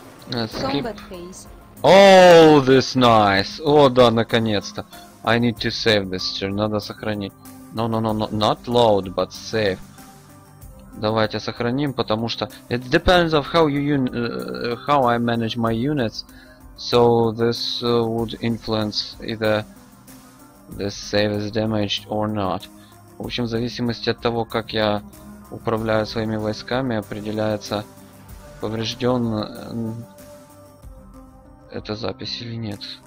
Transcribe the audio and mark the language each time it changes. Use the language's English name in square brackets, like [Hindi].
[English] Let's skip. Oh, this nice! [Russian] О, да, наконец-то. [English] I need to save this turn. [Russian] Надо сохранить. [English] No. Not load, but save. [Russian] Давайте сохраним, потому что... [English] It depends of how I manage my units. So this would influence either this save is damaged or not. [Russian] В общем, в зависимости от того, как я управляю своими войсками, определяется поврежден эта запись или нет.